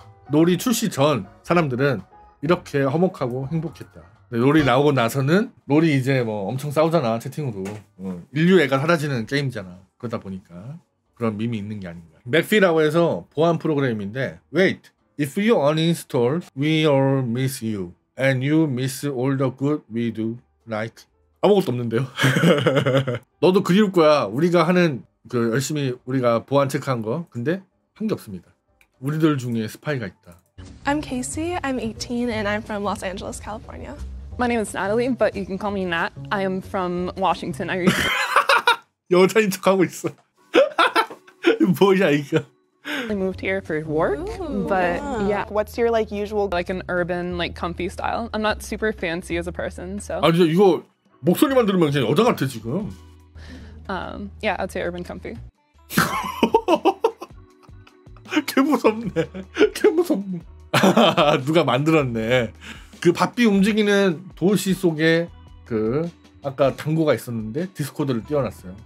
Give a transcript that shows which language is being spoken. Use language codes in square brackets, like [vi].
[ko] 놀이 출시 전 사람들은 이렇게 화목하고 행복했다. 놀이 나오고 나서는 놀이 이제 뭐 엄청 싸우잖아 채팅으로. 인류 애가 사라지는 게임이잖아. 그러다 보니까 그런 밈이 있는 게 아닌가. 맥피라고 해서 보안 프로그램인데 [en] Wait, if you uninstall, we all miss you. And you miss all the good we do, like [ko] 아무것도 없는데요. 너도 그리울 거야. 우리가 하는 그 열심히 우리가 보안 체크한 거 근데 한 게 없습니다. 우리들 중에 스파이가 있다. [en] I'm Casey. I'm 18 and I'm from Los Angeles, California. My name is Natalie, but you can call me Nat. I am from Washington. [ko] 여자인 척 하고 있어. 뭐야 이거? [en] I moved here for work, Ooh, but yeah. yeah. What's your like usual like an urban like comfy style? I'm not super fancy as a person, so. [ko] 아니 이거 목소리만 들으면 그냥 여자 같아 지금. [en] Yeah, I'd say urban comfy. [ko] 개무섭네. 개무섭네. 누가 만들었네. 그 바삐 움직이는 도시 속에 그 아까 당구가 있었는데 디스코드를 띄워놨어요.